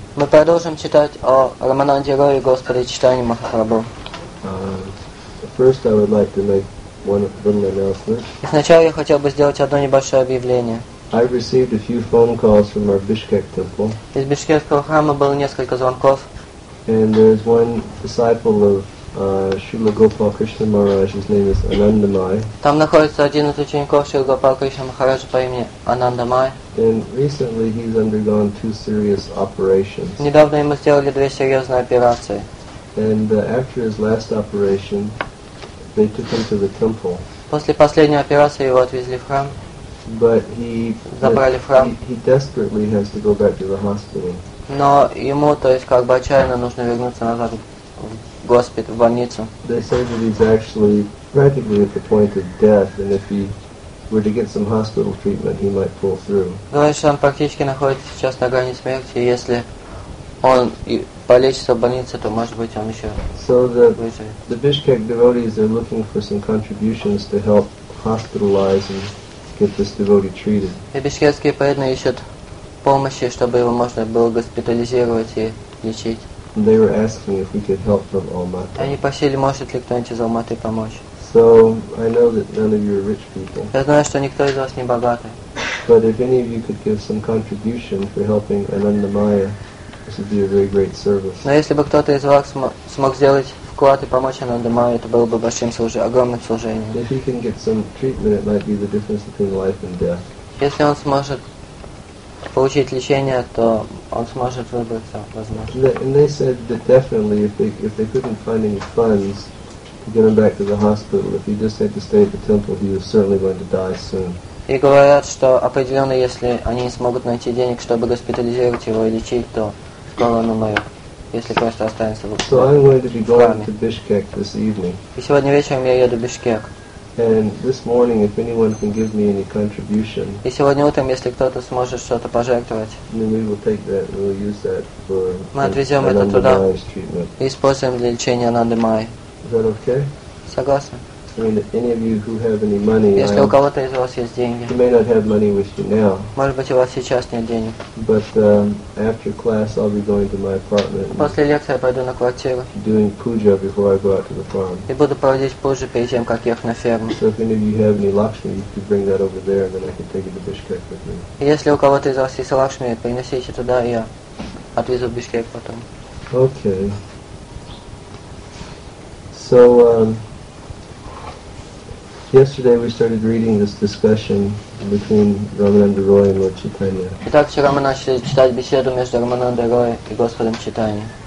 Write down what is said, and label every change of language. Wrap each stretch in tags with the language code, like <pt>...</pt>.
<ru>Мы продолжим читать о Рамананде Рое и Господе Чайтанье Махапрабху.</ru> <en>First, I would like to make one little announcement.</en> <ru>И сначала я хотел бы сделать одно небольшое объявление.</ru> <en>I received a few phone calls from our Bishkek temple.</en> <ru>Из Бишкекского храма было несколько звонков.</ru> <en>And there's one disciple of Srila Gopal Krishna Maharaj, his name is Anandamai.</en> <ru>Там находится один из учеников Шрилы Гопал Кришна Махараджа по имени Анандамай.</ru> <en>And recently he's undergone two serious operations.</en> <ru>Недавно ему сделали две серьезные операции.</ru> <en>And after his last operation, they took him to the temple.</en> <ru>После последней операции его отвезли в храм.</ru> <en>But he</en> <ru>забрали в храм.</ru> <en>He desperately has to go back to the hospital.</en> <ru>Но ему, то есть как бы отчаянно нужно вернуться назад. Госпиталь, в больницу.</ru> <en>They say that he's actually practically at the point of death, and if he were to get some hospital treatment, he might pull through.</en> <ru>Говорят, что он практически находится сейчас на грани смерти, и если он полечится в больнице, то, может быть, он еще</ru> <en>So the Bishkek devotees are looking for some contributions to help hospitalize and get this devotee treated.</en> <ru>И бишкекские преданные ищут помощи, чтобы его можно было госпитализировать и лечить.</ru> <en>They were asking if we could help from Almaty.</en> <ru>Они просили, может ли кто-нибудь из Алматы помочь.</ru> <en>So I know that none of you are rich people.</en> <ru>Я знаю, что никто из вас не богатый.</ru> <en>But if any of you could give some contribution for helping Anandamaya, this would be a very great service.</en> <ru>Но если бы кто-то из вас смог сделать вклад и помочь Анандамае, это было бы большим служением, огромным служением.</ru> <en>If he can get some treatment, it might be the difference between life and death.</en> <ru>Если он сможет получить лечение, то он сможет выбраться, возможно.</ru> <en>And they said that definitely if they couldn't find any funds to get him back to the hospital, if he just had to stay at the temple, he was certainly going to die soon.</en> <ru>И говорят, что определенно, если они не смогут найти денег, чтобы госпитализировать его и лечить, то скоро он умрет, если просто останется в</ru> <en>So I'm going to be going to Bishkek this evening.</en> <ru>И сегодня вечером я еду в Бишкек.</ru> <en>And this morning, if anyone can give me any contribution,</en> <ru>и сегодня утром, если кто-то сможет что-то пожертвовать,</ru> <en>then we will take that and we'll use that for</en> <ru>мы отвезем это туда и используем для лечения Анандамай.</ru> <en>Is that okay?</en> <ru>Согласен.</ru> <en>I mean, any of you who have any money,</en> <ru>если у кого-то из вас есть деньги,</ru> <en>you may not have money with you now.</en> <ru>Может быть, у вас сейчас нет денег.</ru> <en>But after class, I'll be going to my apartment.</en> <ru>После лекции я пойду на квартиру.</ru> <en>Doing puja before I go out to the farm.</en> <ru>И буду проводить пуджу перед тем, как ехать на ферму.</ru> <en>So if any of you have any lakshmi, you can bring that over there, and then I can take it to Bishkek with me.</en> <ru>Если у кого-то из вас есть лакшми, принесите туда, и я отвезу в Бишкек потом.</ru> <en>Okay. So yesterday we started reading this discussion between Ramananda Roy and Lord Chaitanya.</en> <ru>Итак, вчера мы начали читать беседу между Рамананда Роя и Господом Чайтанья.</ru>